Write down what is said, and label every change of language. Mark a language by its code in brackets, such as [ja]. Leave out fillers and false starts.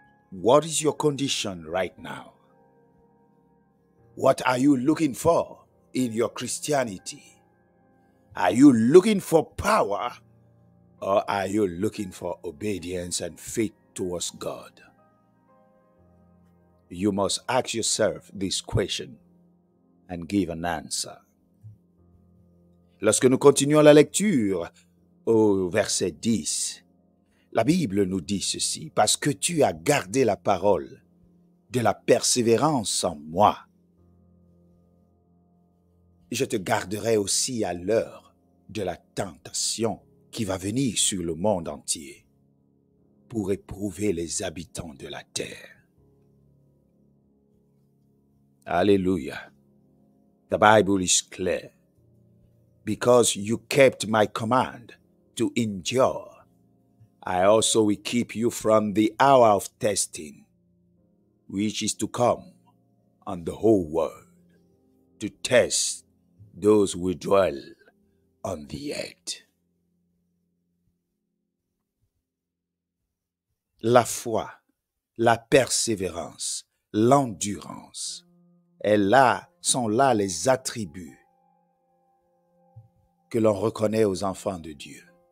[en] What is your condition right now? What are you looking for in your Christianity? Are you looking for power, or are you looking for obedience and faith towards God? You must ask yourself this question and give an answer. [fr] Lorsque nous continuons la lecture au verset 10, la Bible nous dit ceci, « Parce que tu as gardé la parole de la persévérance en moi. » je te garderai aussi à l'heure de la tentation qui va venir sur le monde entier pour éprouver les habitants de la terre. [en] Alléluia. The Bible is clear. Because you kept my command to endure, I also will keep you from the hour of testing, which is to come on the whole world, to test those who dwell on the earth. [fr] La foi, la persévérance, l'endurance, elles-là sont là les attributs que l'on reconnaît aux enfants de Dieu.